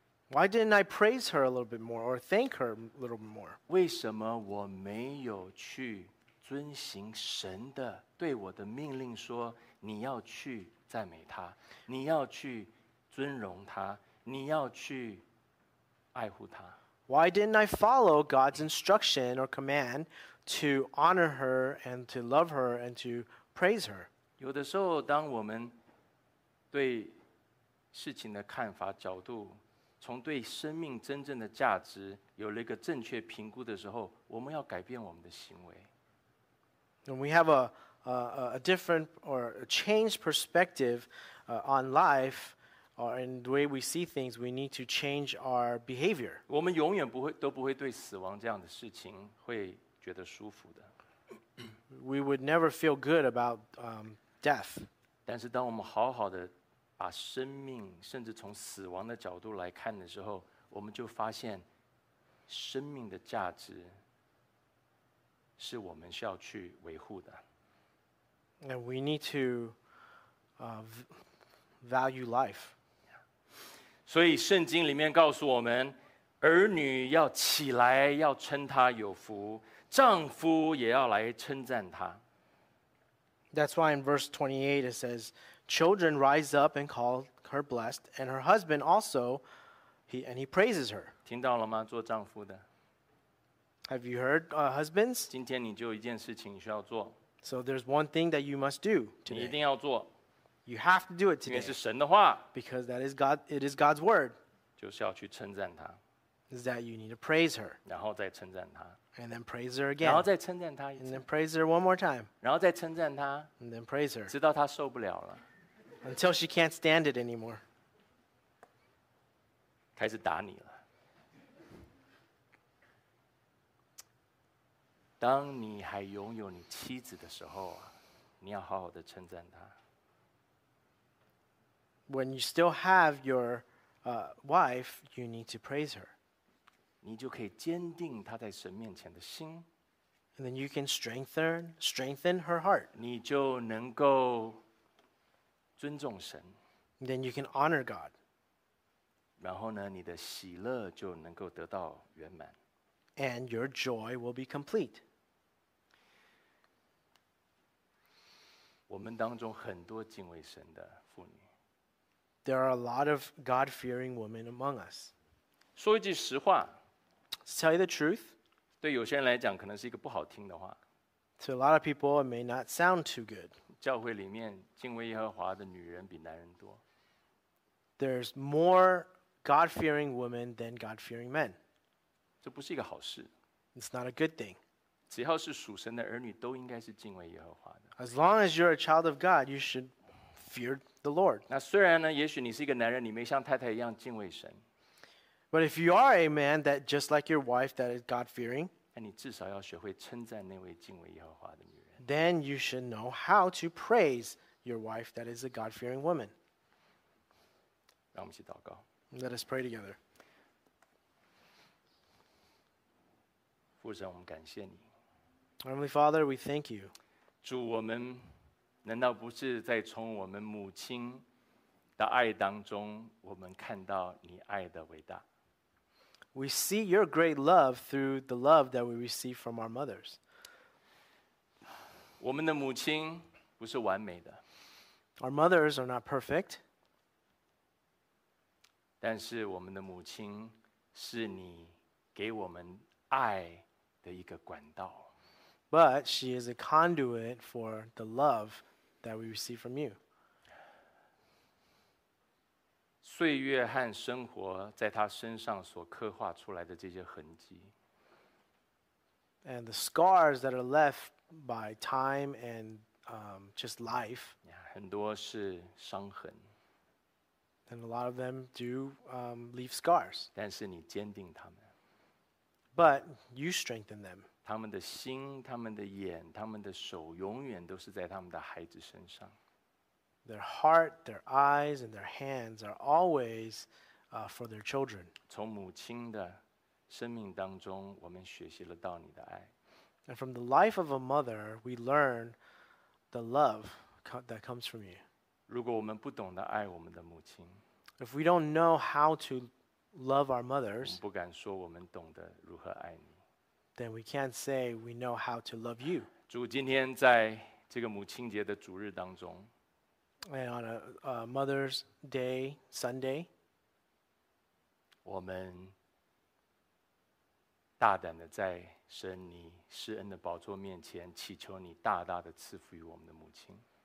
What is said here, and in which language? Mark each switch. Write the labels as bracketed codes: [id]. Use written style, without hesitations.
[en] Why didn't I praise her a little bit more or thank her a little bit more? [zh] 为什么我没有去遵行神的对我的命令说你要去赞美他，你要去尊荣他，你要去爱护他。 [en] Why didn't I follow God's instruction or command to honor her and to love her and to praise her? [zh] 有的时候，当我们对事情的看法角度，从对生命真正的价值有了一个正确评估的时候，我们要改变我们的行为。 [en] And we have a different or a changed perspective on life or in the way we see things, we need to change our behavior. [zh] 我们永远都不会对死亡这样的事情会觉得舒服的。 [en] We would never feel good about death. [zh] 但是当我们好好的把生命甚至从死亡的角度来看的时候，我们就发现生命的价值是我们需要去维护的。 [en] And we need to value life. [zh] 所以圣经里面告诉我们，儿女要起来，要称他有福，丈夫也要来称赞他。 [en] That's why in verse 28 it says, children rise up and call her blessed, and her husband also, he praises her. [zh] 听到了吗？做丈夫的。 [en] Have you heard, husbands? [zh] 今天你就一件事情需要做。 [en] So there's one thing that you must do today. [zh] 你一定要做。 [en] You have to do it today. [zh] 因为是神的话。 [en] Because that is God, it is God's word. [zh] 就是要去称赞他。 [en] Is that you need to praise her. [zh] 然后再称赞他。 [en] And then praise her again. [zh] 然后再称赞他一次。 [en] And then praise her one more time. [zh] 然后再称赞他。 [en] And then praise her. [zh] 直到他受不了了。 [en] Until she can't stand it anymore. [zh] 开始打你了。当你还拥有你妻子的时候，你要好好的称赞她。 [en] When you still have your wife, you need to praise her. [zh] 你就可以坚定她在神面前的心。 [en] And then you can strengthen her heart. [zh] 你就能够尊重神。 [en] Then you can honor God. [zh] 然后呢，你的喜乐就能够得到圆满。 [en] And your joy will be complete. [zh] 我们当中很多敬畏神的妇女。 [en] There are a lot of God-fearing women among us. [zh] 说一句实话。 [en] Tell you the truth. [zh] 对有些人来讲，可能是一个不好听的话。 [en] To a lot of people, it may not sound too good. [zh] 教会里面敬畏耶和华的女人比男人多。 [en] There's more God-fearing women than God-fearing men. [zh] 这不是一个好事。 [en] It's not a good thing. [zh] 只要是属神的儿女，都应该是敬畏耶和华的。 [en] As long as you're a child of God, you should fear the Lord. [zh] 那虽然呢，也许你是一个男人，你没像太太一样敬畏神。 [en] But if you are a man that just like your wife that is God-fearing, [zh] 那你至少要学会称赞那位敬畏耶和华的女人。 [en] Then you should know how to praise your wife that is a God-fearing woman. [zh] 让我们一起祷告。 [en] Let us pray together. [zh] 父神，我们感谢你。 [en] Heavenly Father, we thank you. [zh] 主，我们难道不是在从我们母亲的爱当中，我们看到你爱的伟大？ [en] We see your great love through the love that we receive from our mothers. [zh] 我们的母亲不是完美的。 [en] Our mothers are not perfect. [zh] 但是我们的母亲是你给我们爱的一个管道。 [en] But she is a conduit for the love that we receive from you. [zh] 岁月和生活在他身上所刻画出来的这些痕迹 [en] and the scars that are left by time and just life [zh] 很多是伤痕 [en] and a lot of them do leave scars [zh] 但是你坚定他们 [en] but you strengthen them [zh] 他们的心他们的眼他们的手永远都是在他们的孩子身上 [en] Their heart, their eyes, and their hands are always for their children. [zh] 从母亲的生命当中，我们学习了到你的爱。 [en] And from the life of a mother, we learn the love that comes from you. [zh] 如果我们不懂得爱我们的母亲， [en] If we don't know how to love our mothers, [zh] 我们不敢说我们懂得如何爱你。 [en] Then we can't say we know how to love you. [zh] 主，今天在这个母亲节的主日当中。 [en] And on a Mother's Day Sunday, [zh] 我们大胆的在神你施恩的宝座面前祈求你大大的赐福于我们的母亲。